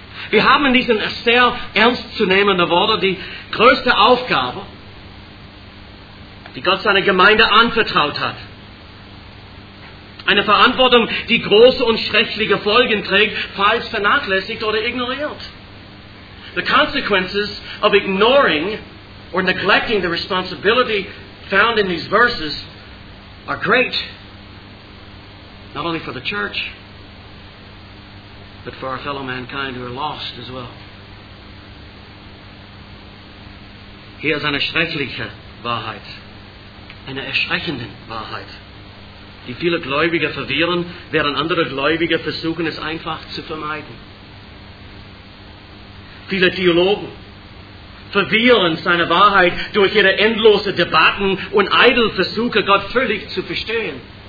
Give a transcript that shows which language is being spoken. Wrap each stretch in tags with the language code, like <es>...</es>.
<de>Wir haben in diesen sehr ernstzunehmenden Worten die größte Aufgabe, die Gott seiner Gemeinde anvertraut hat. Eine Verantwortung, die große und schreckliche Folgen trägt, falls vernachlässigt oder ignoriert.</de> <en>The consequences of ignoring or neglecting the responsibility found in these verses are great, not only for the church, but for our fellow mankind who are lost as well.</en> <de>Hier ist eine schreckliche Wahrheit, eine erschreckende Wahrheit, die viele Gläubige verwirren, während andere Gläubige versuchen, es einfach zu vermeiden. Viele Theologen verwirren seine Wahrheit durch ihre endlose Debatten und eitel Versuche, Gott völlig zu verstehen.</de>